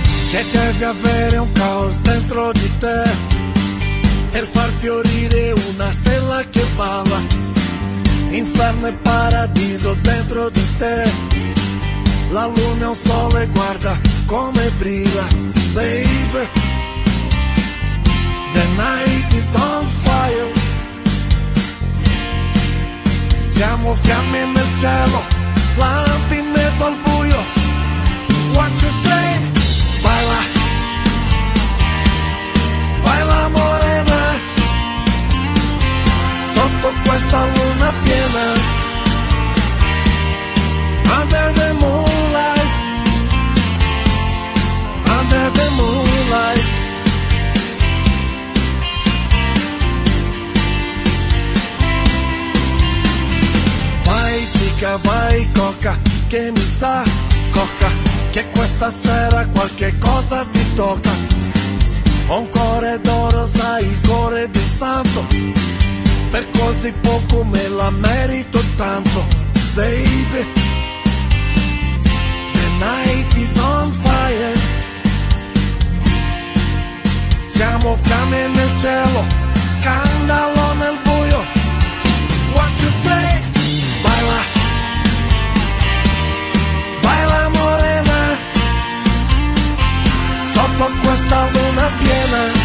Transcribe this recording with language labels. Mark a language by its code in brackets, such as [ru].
[it] Che devi avere un caos dentro di te per far fiorire una stella che balla. Inferno e paradiso dentro di te. La luna è un sole, guarda come brilla. [en] Babe, the night is on fire. [it] Siamo fiamme nel cielo, lampi in mezzo al buio. [en] What you say? [es] Baila, baila morena, [it] sotto questa luna piena. [en] Under the moonlight, under the moonlight. [it] Vai tica, vai coca, che mi sa coca, che questa sera qualche cosa ti tocca. Ho un cuore d'oro, sai, il cuore di un santo. Per così poco me la merito tanto. [en] Baby, the night is on fire. [it] Siamo fiamme nel cielo, scandalo nel buio. [en] What you say? [es] Baila, baila morena, [it] sotto questa luna piena.